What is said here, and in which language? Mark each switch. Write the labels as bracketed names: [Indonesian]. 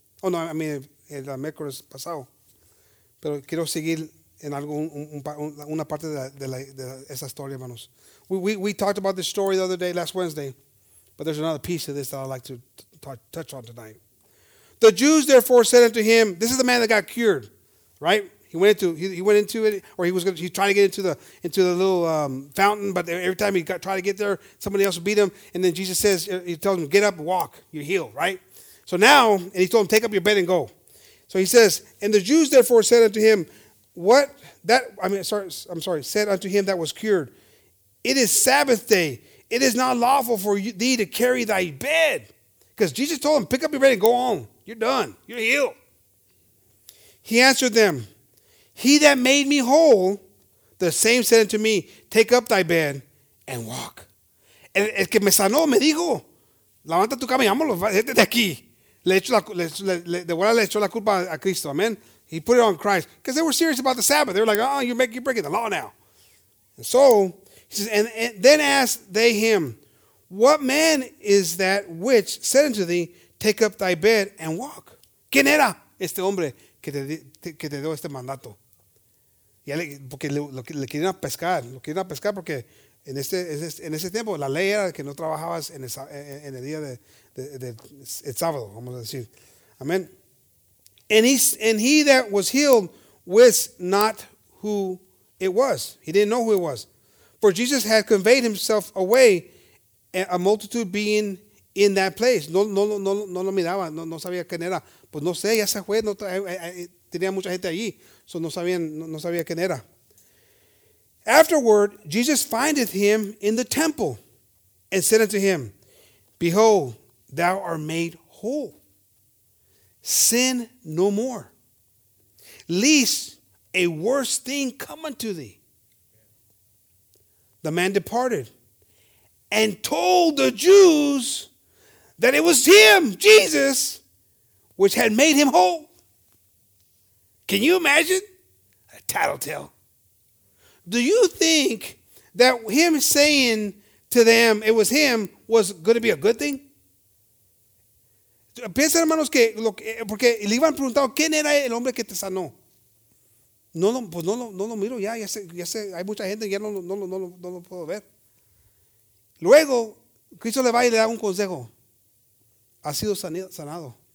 [English] Oh, no, I mean, [Spanish] el miércoles pasado, pero quiero seguir en algo una parte de esa historia, hermanos. [English] We talked about this story the other day, last Wednesday, but there's another piece of this that I'd like to touch on tonight. The Jews therefore said unto him, this is the man that got cured, right? He tried to get into the little fountain, but every time he got tried to get there, somebody else beat him, and then Jesus says, he tells him, get up, walk, you're healed, right? So now, and he told him, take up your bed and go. So he says, and the Jews therefore said unto him, said unto him that was cured, it is Sabbath day. It is not lawful for thee to carry thy bed. Because Jesus told him, pick up your bed and go on. You're done. You're healed. He answered them, he that made me whole, the same said unto me, take up thy bed and walk. [Spanish] El que me sanó me dijo, levanta tu cama y vámonos, vete de aquí. Le echó la culpa a Cristo. Amen. [English] He put it on Christ. Because they were serious about the Sabbath. They were like, oh, you're breaking the law now. And so, he says, and then asked they him, what man is that which said unto thee, take up thy bed and walk? [Spanish] ¿Quién era este hombre que te dio este mandato? Y él, porque le querían pescar. Lo querían pescar porque en ese tiempo la ley era que no trabajabas en el día de el sábado, vamos a decir. Amén. [English] And he that was healed wist not who it was. He didn't know who it was. For Jesus had conveyed himself away, a multitude being in that place. [Spanish] No lo miraba, no sabía quién era. Pues no sé, ya se fue, no, tenía mucha gente allí. So no sabía quién era. [English] Afterward, Jesus findeth him in the temple and said unto him, behold, thou art made whole. Sin no more. Lest a worse thing come unto thee. The man departed and told the Jews that it was him, Jesus, which had made him whole. Can you imagine? A tattletale. Do you think that him saying to them it was him was going to be a good thing? [Spanish] Piensa, hermanos, que lo que, porque le iban preguntando quién era el hombre que te sanó. No lo miro ya, ya sé, hay mucha gente, ya no lo puedo ver. Luego, Cristo le va y le da un consejo. Ha sido sanado.